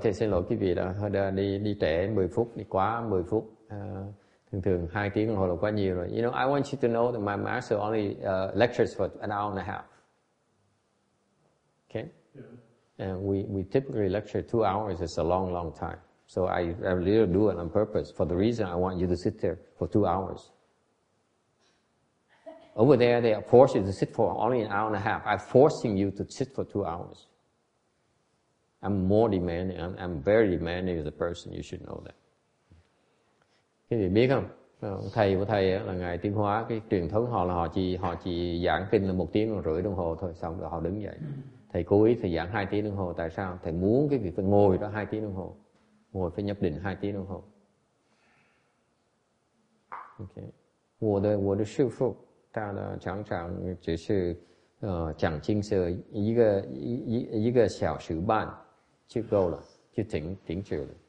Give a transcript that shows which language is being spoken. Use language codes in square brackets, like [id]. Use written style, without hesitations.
[vi] thầy xin lỗi quý vị đã đi trễ 10 phút, đi quá 10 phút. Thường 2 tiếng đồng hồ là quá nhiều rồi. [en] You know, I want you to know that my master only lectures for an hour and a half. Okay? Yeah. And we typically lecture 2 hours. It's a long, long time. So I really do it on purpose for the reason I want you to sit there for 2 hours. Over there, they force you to sit for only an hour and a half. I'm forcing you to sit for 2 hours. I'm more demanding. I'm very demanding as a person. You should know that. [vi] Các vị biết không? Thầy của thầy là ngài Tiến Hóa, cái truyền thống họ là họ chỉ giảng kinh là 1 tiếng rưỡi đồng hồ thôi, xong rồi họ đứng dậy. Thầy cố ý thầy giảng 2 tiếng đồng hồ, tại sao? Thầy muốn cái việc phải ngồi đó 2 tiếng đồng hồ. Ngồi phải nhập định 2 tiếng đồng hồ. [en] Ok. [zh] 我的师父, 他的常常只是讲经是一个小时半就够了，就停止了。